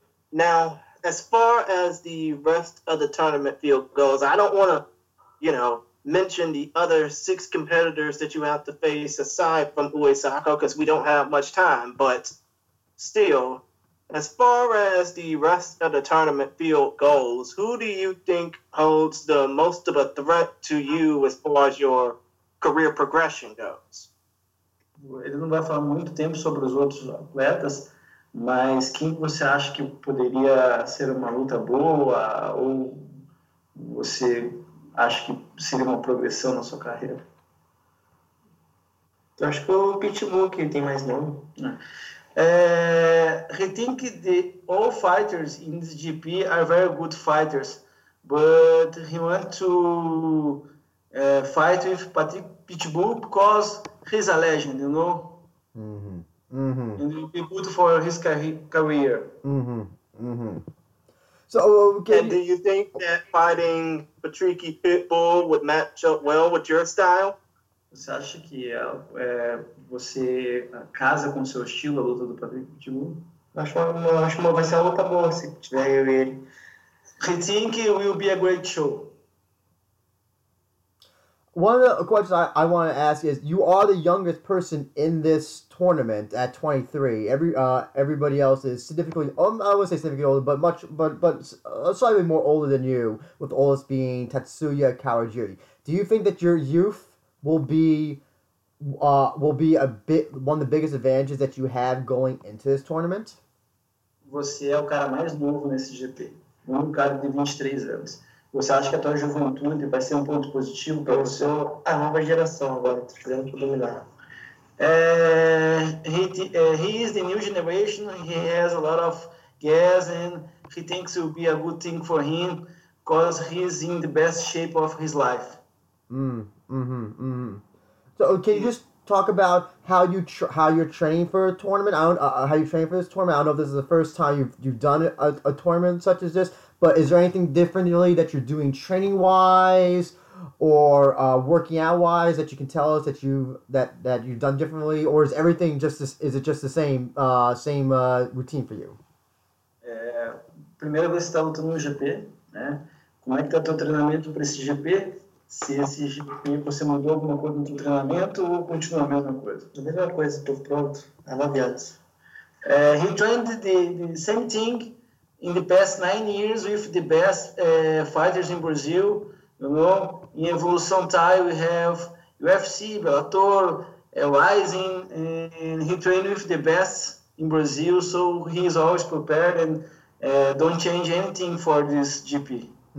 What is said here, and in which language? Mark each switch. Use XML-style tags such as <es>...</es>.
<en>Now, as far as the rest of the tournament field goes, I don't want to, you know, mention the other six competitors that you have to face aside from Uesako because we don't have much time. But still, as far as the rest of the tournament field goes, who do you think holds the most of a threat to you as far as your career progression goes?</en> <pt>Ele não vai falar muito tempo sobre os outros atletas, mas quem você acha que poderia ser uma luta boa ou você acha que seria uma progressão na sua carreira? Eu acho que o Pitbull tem mais nome.</pt> <en>I think the all fighters in this GP are very good fighters, but he wants to fight with Patrick Pitbull because he's a legend, you know? Mm-hmm. And it will be good for his career. Mm-hmm. Mm-hmm. So, okay. And do you think that fighting Patrick Pitbull would match up well with your style?</en> <pt>Você acha que você casa com o seu estilo a luta do Patrick Pitbull? Acho uma vai ser uma luta boa se tiver eu e ele.</pt> <en>I think it will be a great show. One of the questions I want to ask is, you are the youngest person in this tournament at 23. Everybody else is significantly, I wouldn't say significantly older, but slightly more older than you, with the oldest being Tatsuya Kawajiri. Do you think that your youth will be a bit one of the biggest advantages that you have going into this tournament?</en> <pt>Você é o cara mais novo nesse GP. Um cara de 23 anos. Você acha que a tua juventude vai ser um ponto positivo para você? Eu sou a nova geração agora, estou querendo te dominar.</pt> <en>He is the new generation, he has a lot of gas, and he thinks it will be a good thing for him, because he is in the best shape of his life. So can you just talk about how you how you're training for a tournament? How you train for this tournament? I don't know if this is the first time you've done a tournament such as this, but is there anything differently that you're doing training wise or working out wise that you can tell us that you've done differently, or is everything just the same routine for you?</en> <pt>Primeira vez está lutando no GP, né? Como é que está teu treinamento para esse GP? Se esse GP você mandou alguma coisa no seu treinamento ou continua a mesma coisa? A mesma coisa, estou pronto.</pt> <en>I love you. He trained the same thing in the past 9 years with the best fighters in Brazil. You know, in Evolução Thai we have UFC, Bellator, Rising, and he trained with the best in Brazil, so he is always prepared and don't change anything for this GP.</en>